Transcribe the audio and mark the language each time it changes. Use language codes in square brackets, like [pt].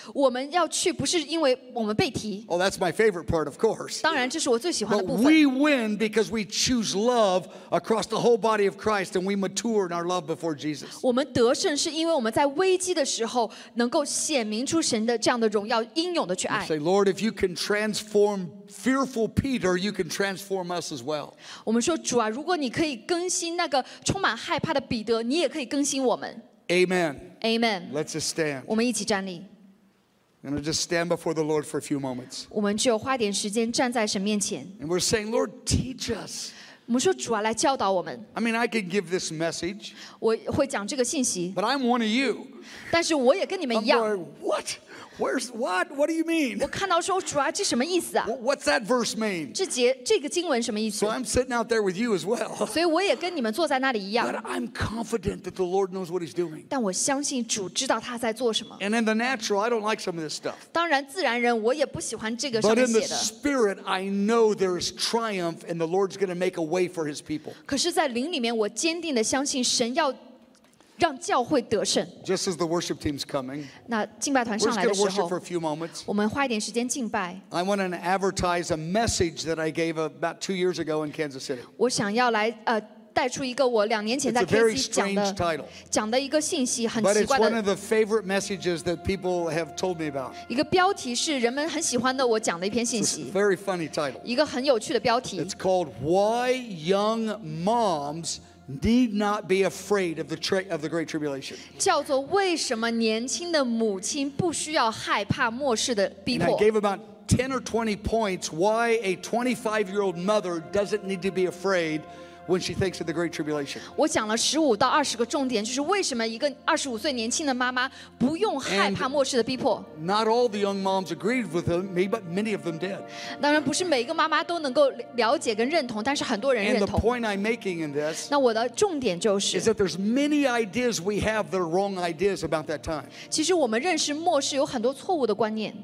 [zh] 我们要去不是因为我们被提。 [en] Oh, that's my favorite part, of course. [zh] 当然这是我最喜欢的部分。 [en] But we win because we choose love across the whole body of Christ, and we mature in our love before Jesus. [zh] 我们得胜是因为我们在危机的时时候能够显明出神的这样的荣耀应有的去爱 [en] you say, Lord, if you can transform fearful Peter, you can transform us as well. [zh] 我们说主啊如果你可以更新那个充满害怕的彼得你也可以更新我们 [en] Amen. Amen. Let's just stand. [zh] 我们一起站立 [en] I'm going to just stand before the Lord for a few moments. [zh] 我们就花点时间站在神面前 [en] And we're saying, Lord, teach us. [zh] 我们说主啊来教导我们 [en] I mean, I can give this message, [zh] 我会讲这个信息 [en] but I'm one of you. [zh] 但是我也跟你们一样 [en] I'm going, what? Where's what? What do you mean? [zh] 我看到说主啊这什么意思啊 [en] What's that verse mean? [zh] 这个经文什么意思 [en] So I'm sitting out there with you as well. [zh] 所以我也跟你们坐在那里一样 [en] But I'm confident that the Lord knows what he's doing. [zh] 但我相信主知道他在做什么 [en] And in the natural, I don't like some of this stuff. [zh] 当然自然人我也不喜欢这个上面写的 [en] But in the spirit, I know there is triumph and the Lord's going to make a way for his people. [zh] 可是在灵里面我坚定地相信神要让教会得胜 [en] Just as the worship team's coming, [zh] 那敬拜团上来的时候 [en] We're going to worship for a few moments. [zh] 我们花一点时间敬拜 [en] I want to advertise a message that I gave about 2 years ago in Kansas City. [zh] 我想要来带出一个我两年前在 KC 讲的一个信息很奇怪的 [en] But it's one of the favorite messages that people have told me about. [zh] 一个标题是人们很喜欢的我讲的一篇信息 [en] It's a very funny title. [zh] 一个很有趣的标题 [en] It's called Why Young Moms Need not be afraid of the great tribulation. [zh] 叫做为什么年轻的母亲不需要害怕末世的逼迫 [en] And I gave about 10 or 20 points why a 25-year-old mother doesn't need to be afraid when she thinks of the great tribulation. [zh] 我讲了15到20个重点，就是为什么一个25岁年轻的妈妈不用害怕末世的逼迫 [en] And not all the young moms agreed with me, but many of them did. [zh] 当然不是每一个妈妈都能够了解跟认同，但是很多人认同。 [en] And the point I'm making in this, [zh] 那我的重点就是 [en] is that there's many ideas we have that are wrong ideas about that time. [zh] 其实我们认识末世有很多错误的观念。